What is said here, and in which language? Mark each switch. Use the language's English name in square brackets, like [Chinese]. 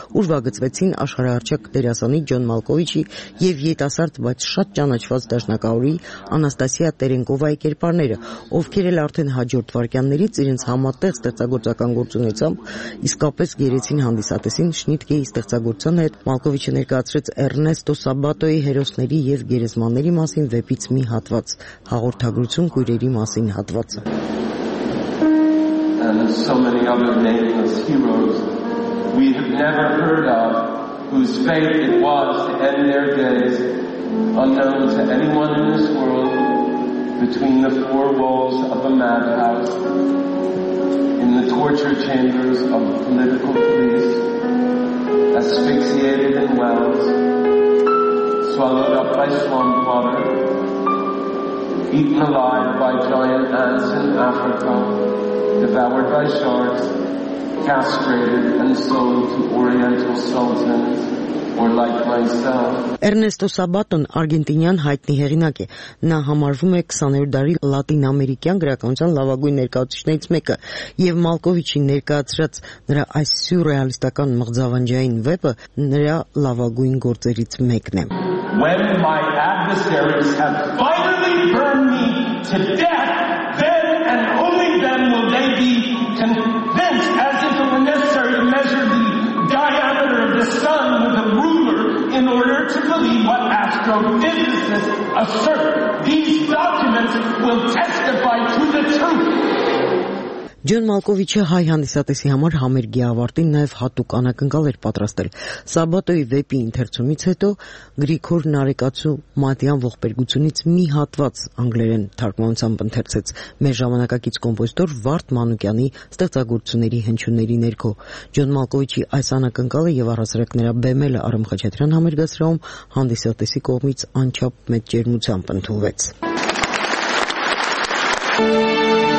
[Armenian] ուժվագծվեցին աշխարհահռչակ դերասանի Ջոն Մալկովիչի և երիտասարդ, բայց շատ ճանաչված դաշնակահարուհի Անաստասիա Տերենկովայի կերպարները, ովքեր էլ արդեն հաջորդ վայրկյաններից իրենց համատեղ ստեղծագործական գործունեությամբ իսկապես գերեցին հանդիսատեսին Շնիտկեի ստեղծագործության հետ։ Մալկովիչը ներկայացրեց Էրնեստո Սաբատոյի հերոսների և գերեզմանների մասին վեպից մի հատված, հաղորդագրություն քույրերի մասին հատվածը։ [English] And so many other nameless heroes we have never heard of, whose fate it was to end their days unknown to anyone in this world, between the four walls of a madhouse, in the torture chambers of political police, asphyxiated in wells, swallowed up by swamp water, eaten alive by giant ants in Africa, devoured by sharks, castrated and sold to Oriental sultans. [Armenian] Ernesto Sabaton արգենտինյան հայտնի հեղինակ է։ Նա համարվում է 20-րդ դարի լատին ամերիկյան գրականության լավագույն ներկայացուցիչներից մեկը, և Մալկովիչի ներկայացրած նրա այս սյուրռեալիստական մղձավանջային վեպը նրա լավագույն գործերից մեկն է։ [English] When my adversaries have finally burned me to death, then and only then will they be convinced, as if it were necessary to measure the diameter of the sun in order to believe what astrophysicists assert. These documents will testify to the truth. [Armenian] Ջոն Մալկովիչը հայ հանդիսատեսի համար համերգի ավարտին նաև հատուկ անակնկալ էր պատրաստել։ Սաբատոյի վեպի ընթերցումից հետո Գրիգոր Նարեկացու Մատյան ողբերգությունից մի հատված անգլերեն թարգմանությամբ ընթերցեց մեր ժամանակակից կոմպոզիտոր Վարդ Մանուկյանի ստեղծագործությունների հնչյունների ներքո։ Ջոն Մալկովիչի այս անակնկալը և առհասարակ նրա բեմելը Արամ Խաչատրյան համերգասրահում հանդիսատեսի կողմից անչափ մեծ ջերմությամբ